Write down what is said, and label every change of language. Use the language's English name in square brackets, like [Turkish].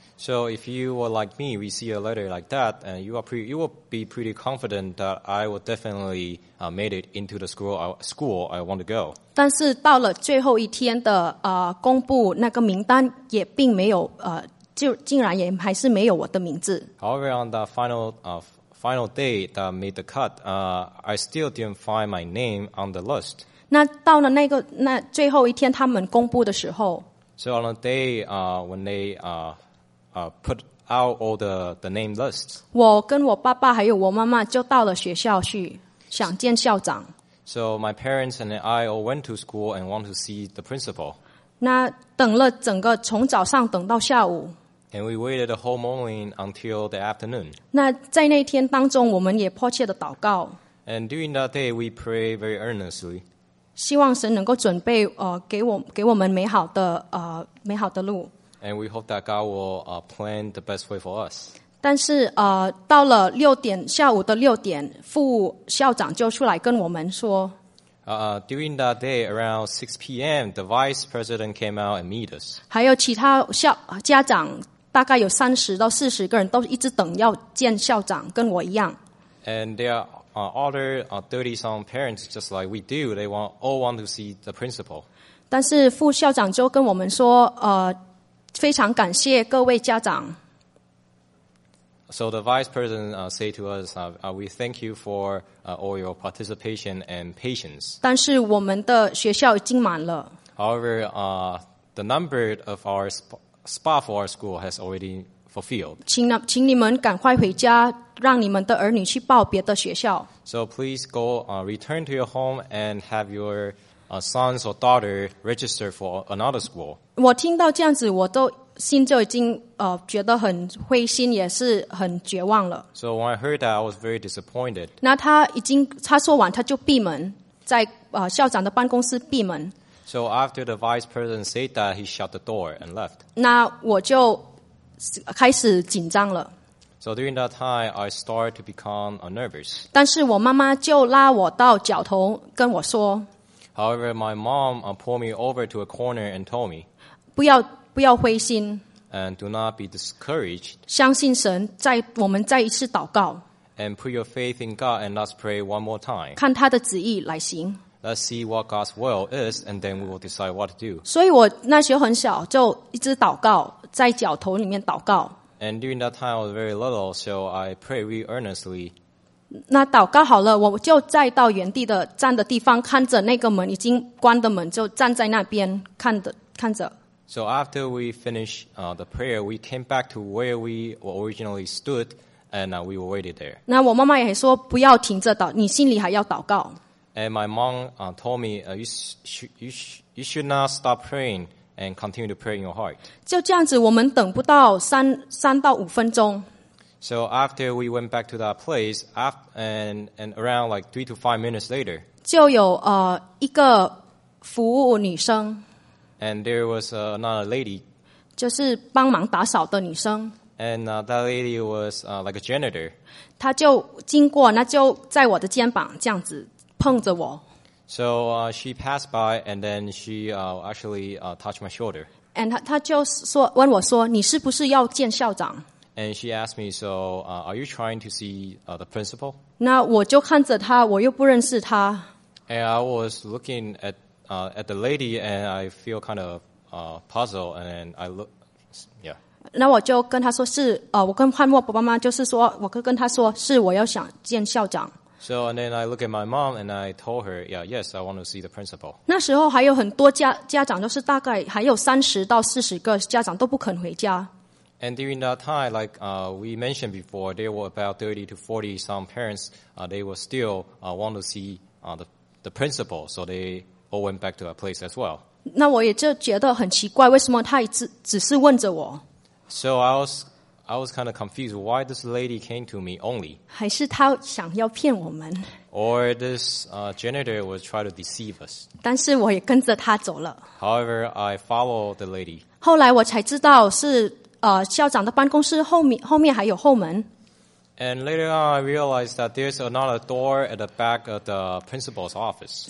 [English] So if you were like me, receive a letter like that, and you will be pretty confident that I will definitely made it into the school I want to go. [Chinese] 但是到了最后一天的公布那个名单也并没有竟然也还是没有我的名字。 [English] However, on the final day that made the cut, I still didn't find my name on the list. [Chinese] 那到了那最后一天他们公布的时候。 [English] So on the day when they put out all the name lists. [Chinese] 我跟我爸爸还有我妈妈就到了学校去想见校长。 [English] So my parents and I all went to school and want to see the principal. [Chinese] 那等了整个从早上等到下午。 [English] And we waited the whole morning until the afternoon. [Chinese] 那在那天当中我们也迫切的祷告。 [English] And during that day we pray very earnestly. [Chinese] 希望神能够准备给我们美好的路。 [English] And we hope that God will plan the best way for us. [Chinese] 但是到了六点下午的六点，副校长就出来跟我们说。 [English] During that day around 6 p.m., the vice president came out and meet us. [Chinese] 还有其他家长大概有30到40个人都一直等要见校长，跟我一样。 [English] And there are other 30 some parents just like we do. They all want to see the principal. [Chinese] 但是副校长就跟我们说，非常感谢各位家长。 [English] So the vice president say to us, we thank you for all your participation and patience. [Chinese] 但是我们的学校已经满了。 [English] However, the number of our spot for our school has already fulfilled. [Chinese] 请你们赶快回家，让你们的儿女去报别的学校。 [English] So please go return to your home and have your sons or daughter register for another school. [Chinese] 我听到这样子，我都心就已经觉得很灰心，也是很绝望了。 [English] So when I heard that, I was very disappointed. [Chinese] 那他说完，他就闭门在校长的办公室闭门。 [English] So after the vice president said that, he shut the door and left. [Chinese] 那我就开始紧张了。 [English] So during that time, I started to become nervous. [Chinese] 但是我妈妈就拉我到角头跟我说。 [English] However, my mom pulled me over to a corner and told me, [Chinese] 不要灰心。 [English] And do not be discouraged. [Chinese] 相信神，我们再一次祷告。 [English] And put your faith in God and let's pray one more time. [Chinese] 看他的旨意来行。 [English] Let's see what God's will is, and then we will decide what to do. [Chinese] 所以我那时候很小，就一直祷告，在脚头里面祷告。 [English] And during that time, I was very little, so I prayed really earnestly. [Chinese] 那祷告好了，我就再到原地的站的地方，看着那个门已经关的门，就站在那边看着。 [English] So after we finished the prayer, we came back to where we originally stood, and we were waiting there. [Chinese] 那我妈妈也说不要停着祷，你心里还要祷告。 [English] And my mom told me, you should not stop praying and continue to pray in your heart. [Chinese] 就这样子，我们等不到3到5分钟。 [English] So after we went back to that place, and around like 3 to 5 minutes later, [Chinese] 就有一个服务女生。 [English] And there was another lady, [Chinese] 就是帮忙打扫的女生。 [English] And that lady was like a janitor. [Chinese] 她就经过，那就在我的肩膀这样子碰着我。 [English] So she passed by, and then she actually touched my shoulder. And [Chinese] 她就说问我说，你是不是要见校长？ [English] And she asked me, so are you trying to see the principal? [Chinese] 那我就看着她，我又不认识她。 [English] And I was looking at the lady, and I feel kind of puzzled, and I look, yeah. [Chinese] 那我就跟她说是，我跟汉默爸爸妈妈就是说，我跟她说是我要想见校长。 [English] So and then I look at my mom, and I told her, yeah, yes, I want to see the principal. [Chinese] 那时候还有很多家长，就是大概还有30到40个家长都不肯回家。 [English] And during that time, like we mentioned before, there were about 30 to 40 some parents. They were still want to see the principal, so they all went back to that place as well. [Chinese] 那我也就觉得很奇怪，为什么他只是问着我 [English] ？So I was kind of confused why this lady came to me only. [Chinese] 还是他想要骗我们 [English] ？Or this janitor was trying to deceive us. [Chinese] 但是我也跟着他走了。 [English] However, I followed the lady. [Chinese] 后来我才知道是。校长的办公室后面还有后门。 [English] And later on, I realized that there's another door at the back of the principal's office.